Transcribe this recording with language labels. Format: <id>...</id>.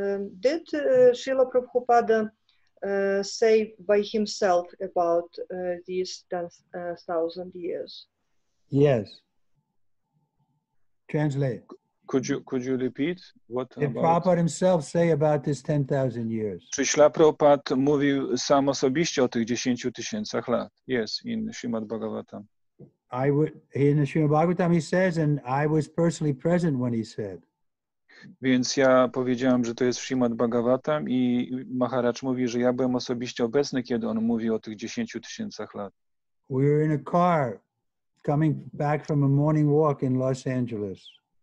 <en>Did Srila Prabhupada say by himself about these 10,000 years? Yes. Translate. Could you repeat? Did Prabhupada himself say about this 10,000 years?</en> <pl>Czy Śla Prabhupad mówił sam osobiście o tych 10 tysięcach lat?</pl> <en>Yes, in Srimad Bhagavatam. In the Srimad Bhagavatam he says, and I was personally present when he said.</en> <pl>Więc ja powiedziałem, że to jest Srimad Bhagavatam i Maharaj mówi, że ja byłem osobiście obecny, kiedy on mówi o tych 10 tysięcach lat.</pl> <en>We were in a car coming back from a morning walk in Los Angeles.</en>